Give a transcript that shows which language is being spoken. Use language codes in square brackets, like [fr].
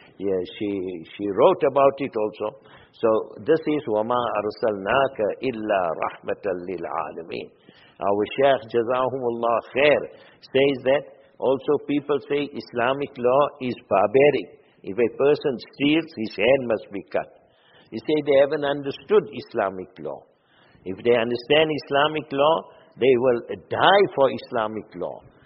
[en] Yeah, she wrote about it also. So this is [ar] وَمَا أَرْسَلْنَاكَ إِلَّا رَحْمَةً لِلْعَالَمِينَ. [en] Our Shaykh [ar] جَزَاهُمُ اللَّهُ خَيْرٌ [en] says that also people say Islamic law is barbaric. If a person steals, his hand must be cut. You say they haven't understood Islamic law. If they understand Islamic law, they will die for Islamic law.